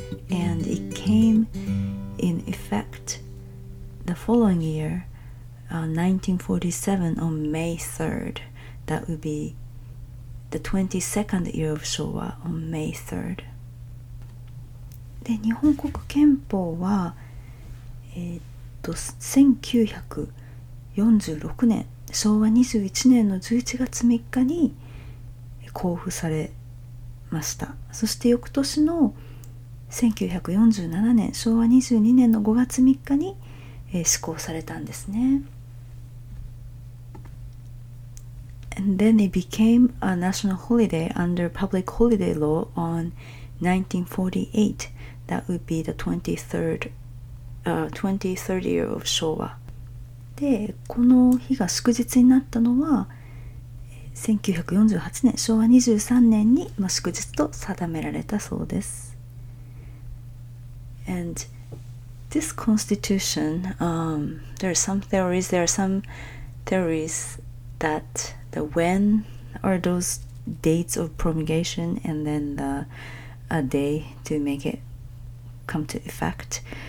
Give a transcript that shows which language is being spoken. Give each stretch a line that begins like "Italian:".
English: And it came in effect the following year. 1947 on May 3rd. That would be the 22nd year of Showa on May 3rd.
Japanese: で、日本国憲法は1946年、昭和21年の11月3日に公布されました。そして翌年の1947年、昭和22年の5月3日に、施行されたんですね。
English: And then it became a national holiday under public holiday law on 1948. That would be the 23rd year of Showa.
Japanese: で、この日が祝日になったのは1948年、昭和23年に祝日と定められたそうです。
English: And this constitution, there are some theories thatthe when are those dates of promulgation and then the a day to make it come to effect